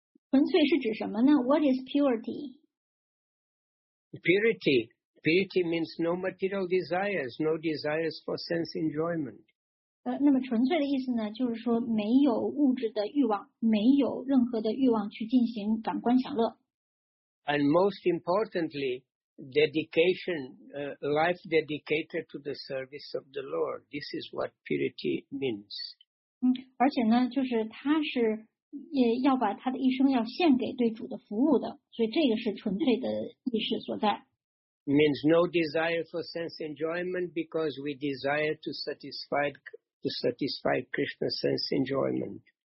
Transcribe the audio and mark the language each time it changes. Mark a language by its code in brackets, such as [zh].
[zh] 纯粹是指什么呢？ [en] What is purity? Purity. Purity means no material desires, no desires for sense enjoyment. [zh] 那么纯粹的意思呢，就是说没有物质的欲望，没有任何的欲望去进行感官享乐。 [en] And most importantly, dedication, life dedicated to the service of the Lord. This is what purity means. [zh] 而且呢，就是它是也要把他的一生要献给对主的服务的，所以这个是纯粹的意识所在。 [en] Means no desire for sense enjoyment because we desire to satisfy Krishna's sense enjoyment.